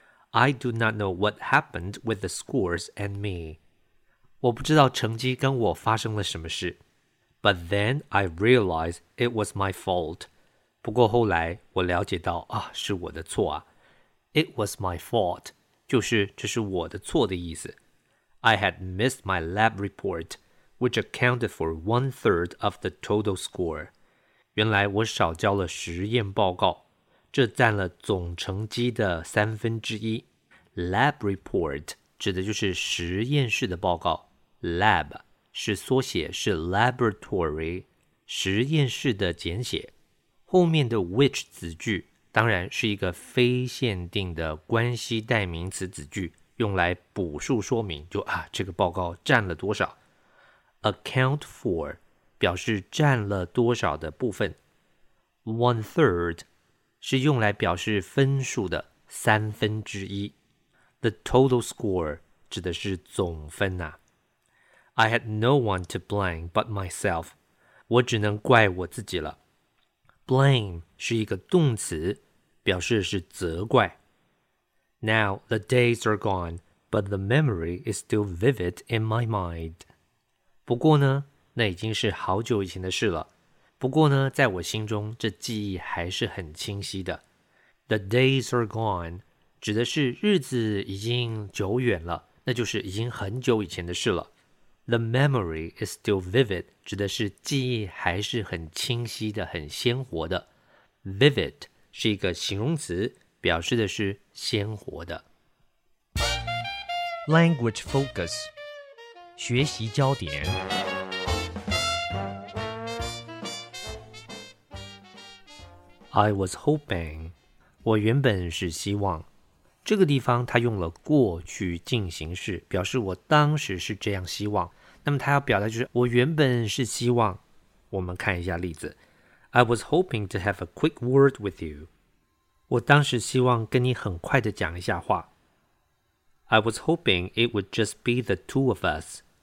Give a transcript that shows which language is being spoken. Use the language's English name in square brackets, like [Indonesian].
[English] I do not know what happened with the scores and me. [Chinese] 我不知道成绩跟我发生了什么事。 [English] But then I realized it was my fault. [Chinese] 不过后来我了解到啊，是我的错啊。 [English] It was my fault, [Chinese] 就是这是我的错的意思。 [English] I had missed my lab report, which accounted for 1/3 of the total score. [Chinese] 原来我少交了实验报告，这占了总成绩的三分之一。 Lab report 指的就是实验室的报告。 Lab 是缩写，是 laboratory, 实验室的简写。后面的 which 子句当然是一个非限定的关系代名词子句，用来补述说明，就啊，这个报告占了多少。 Account for 表示占了多少的部分。 1/3 是用来表示分数的三分之一。 [English] The total score [Chinese] 指的是总分啊。 [English] I had no one to blame but myself. [Chinese] 我只能怪我自己了。Blame 是一个动词，表示是责怪。 [English] Now the days are gone, but the memory is still vivid in my mind. [Chinese] 不过呢，那已经是好久以前的事了。不过呢，在我心中，这记忆还是很清晰的。 [English] The days are gone [Chinese] 指的是日子已经久远了，那就是已经很久以前的事了。 [English] The memory is still vivid [Chinese] 指的是记忆还是很清晰的，很鲜活的。 Vivid是一个形容词，表示的是鲜活的。 Language focus， 学习焦点。 [English] I was hoping， [Chinese] 我原本是希望。这个地方他用了过去进行式，表示我当时是这样希望。那么他要表达就是我原本是希望。我们看一下例子。 [English] I was hoping to have a quick word with you。 [Chinese] 我当时希望跟你很快地讲一下话。 [English] I was hoping it would just be the two of us.